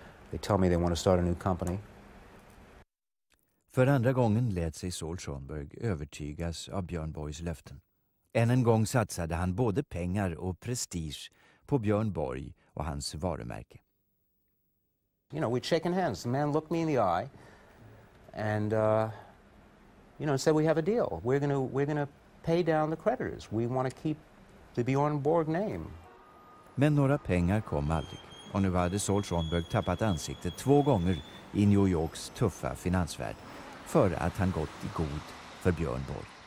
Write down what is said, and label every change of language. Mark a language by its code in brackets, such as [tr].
[en] They tell me they want to start a new company. [sv] För andra gången lät sig Saul Schoenberg övertygas av Björn Borgs löften. Än en gång satsade han både pengar och prestige på Björn Borg och hans varumärke. [en] you know, we'd shaken hands. The man looked me in the eye and, you know, said, we have a deal. We're gonna pay down the creditors. We want to keep the Björn Borg name. [sv] Men några pengar kom aldrig. Och nu hade Saul Schoenberg tappat ansiktet två gånger i New Yorks tuffa finansvärld för att han gått i god för Björn Borg.